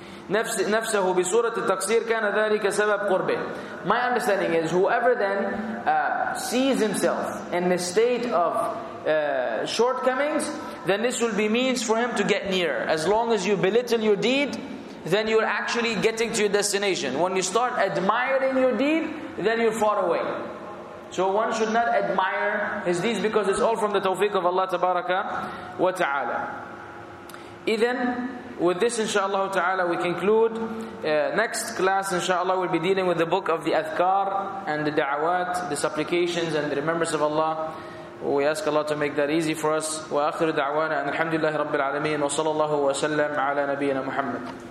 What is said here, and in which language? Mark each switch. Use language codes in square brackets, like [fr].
[ar] نفسه بصورة التقصير كان ذلك سبب قربه. [en] My understanding is whoever then sees himself in the state of shortcomings, then this will be means for him to get near. As long as you belittle your deed, then you're actually getting to your destination. When you start admiring your deed, then you're far away. So one should not admire his deeds because it's all from the tawfiq of Allah tabaraka wa ta'ala. Then, with this inshaAllah ta'ala, we conclude. Next class inshaAllah we'll be dealing with the book of the adhkar and the da'awat, the supplications and the remembrance of Allah. We ask Allah to make that easy for us. [ar] وَآخِرُ دَعْوَانَا أَنِ الْحَمْدُ لِلَّهِ رَبِّ الْعَالَمِينَ وَصَلَى اللَّهُ وَسَلَّمْ عَلَى نَبِيِّنَا مُحَمَّدٍ.